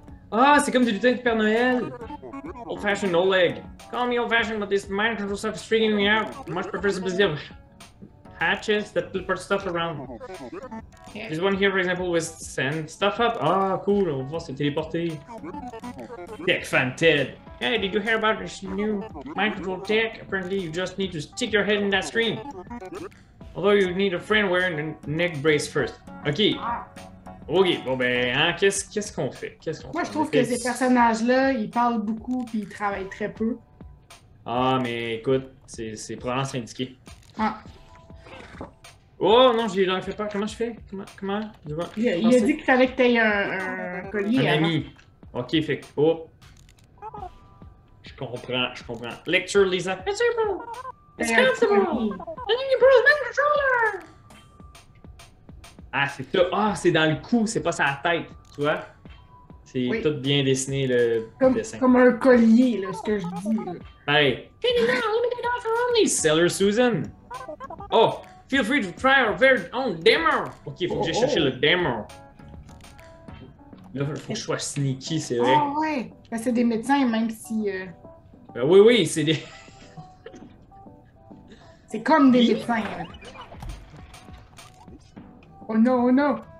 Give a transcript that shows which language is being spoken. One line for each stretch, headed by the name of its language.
French: Ah, c'est comme du lutin de Père Noël.
English: Old fashioned Oleg. Call me old fashioned, but this mind control stuff is freaking me out. Much prefer the busy of hatches that put stuff around. This one here, for example, was send stuff up.
French: Ah, cool, on va se téléporter.
English: Tech fan Ted. Hey, did you hear about this new mind control tech? Apparently, you just need to stick your head in that screen. Although, you need a friend wearing a neck brace first. Ok.
French: Ok, bon ben, hein, qu'est-ce qu'on fait? Moi, je trouve que ces personnages-là, ils parlent beaucoup puis ils travaillent très peu. Ah, mais écoute, c'est probablement syndiqué. Ah. Oh non, j'ai l'air fait peur. Comment je fais? Comment? Je vois, il a dit qu'il fallait que tu aies un collier. Un ami. Ok, fait. Oh. Je comprends. Lecture Lisa.
English: It's simple! It's comfortable! And you brought my controller!
French: Ah, c'est ça. Ah, oh, c'est dans le cou, c'est pas sa tête, tu vois? C'est oui. Tout bien dessiné, le comme, dessin. Comme un collier, là, ce que je dis.
English: Pareil. Hey, limited offer only, seller Susan! Oh! Feel free to try our very own demo!
French: Ok, faut que j'aille chercher le demo. Là, il faut que je sois sneaky, c'est vrai. Ah ouais! Ben, c'est des médecins, même si. Ben oui, oui, c'est des. C'est comme des médecins. Hein. Oh non, oh non!